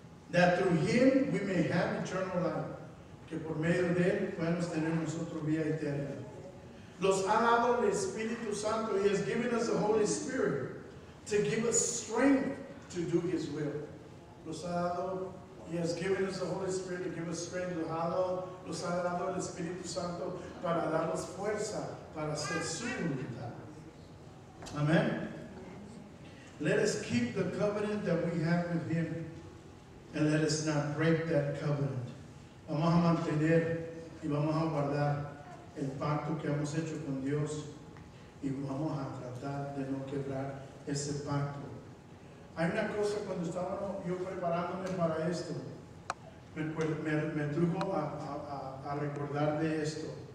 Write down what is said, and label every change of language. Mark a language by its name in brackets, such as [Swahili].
[English] That through him we may have eternal life. [Spanish] Que por medio de él podemos tener nosotros vida eterna. Nos ha dado el Espíritu Santo. [English] He has given us the Holy Spirit to give us strength to do his will. [Spanish] Nos ha dado, [English] he has given us the Holy Spirit to give us strength. [Spanish] Nos ha dado el Espíritu Santo para darnos fuerza para hacer su voluntad. [English] Amen. Let us keep the covenant that we have with him. And let us not break that covenant. [Spanish] Vamos a mantener y vamos a guardar el pacto que hemos hecho con Dios y vamos a tratar de no quebrar ese pacto. Hay una cosa cuando estaba yo preparándome para esto, me trujo a recordar de esto.